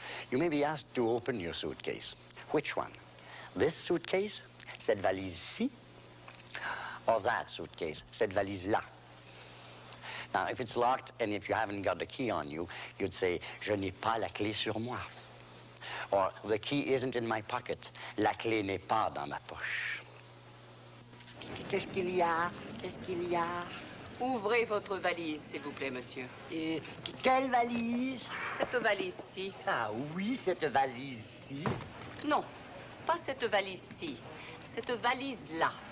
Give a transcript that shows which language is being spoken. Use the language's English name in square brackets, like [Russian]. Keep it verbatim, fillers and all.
[English] You may be asked to open your suitcase. Which one? This suitcase? [French] Cette valise ici, [English] or that suitcase, [French] cette valise-là. [English] Now, if it's locked and if you haven't got the key on you, you'd say, [French] je n'ai pas la clé sur moi. [English] Or, the key isn't in my pocket. [French] La clé n'est pas dans ma poche. Qu'est-ce qu'il y a? Qu'est-ce qu'il y a? Ouvrez votre valise, s'il vous plaît, monsieur. Et quelle valise? Cette valise-ci. Ah oui, cette valise-ci. Non, pas cette valise-ci. Cette valise-là.